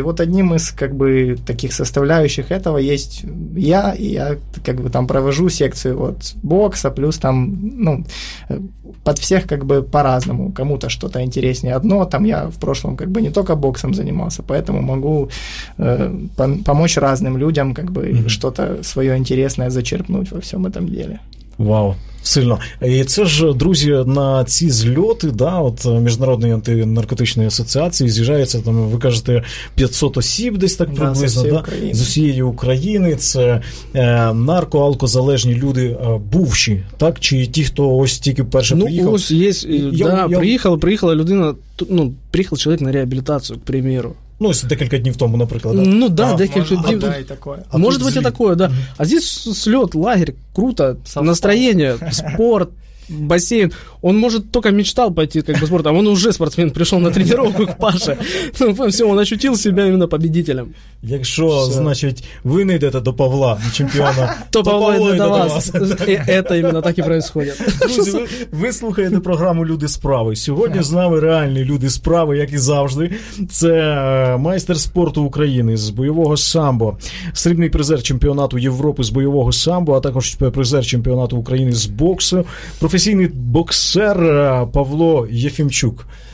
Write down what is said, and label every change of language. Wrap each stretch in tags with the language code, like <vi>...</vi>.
<ru>И вот одним из как бы таких составляющих этого есть я, и я как бы там провожу секцию вот бокса, плюс там, ну, под всех как бы по-разному, кому-то что-то интереснее одно. Но там я в прошлом как бы не только боксом занимался, поэтому могу помочь разным людям как бы что-то свое интересное зачерпнуть во всем этом деле. Вау, сильно.</ru> <uk>І це ж, друзі, на ці зльоти, да, от Міжнародної антинаркотичної асоціації з'їжджається, там, ви кажете, 500 осіб десь так приблизно, да, з усієї України. Це нарко-алкозалежні люди бувші, так, чи ті, хто ось тільки вперше приїхав? Ну, ось є, приїхала людина, ну, приїхав чоловік на реабілітацію, к приміру. Ну, если декілька днів тому, наприклад.</uk> <ru>Да.</ru> <uk>Ну, да, декілька днів.</uk> <ru>Да, такое. А может быть, и такое, да. А здесь слёт, лагерь, круто, настроение, спорт, бассейн, он может только мечтал пойти как бы в спорт, а он уже спортсмен, пришел на тренировку к Паше. Ну, все, он ощутил себя именно победителем.</ru> <uk>Якщо, значить, ви не йдете до Павла, чемпіона, то Павло йде до вас.</uk> <ru>Это именно так і происходит.</ru> <uk>Друзі, ви слухаєте програму «Люди справи». Сьогодні з нами реальні люди справи, як і завжди. Це майстер спорту України з бойового самбо, срібний призер чемпіонату Європи з бойового самбо, а також призер чемпіонату України з боксу, професійний боксер Павло Єфімчук.</uk>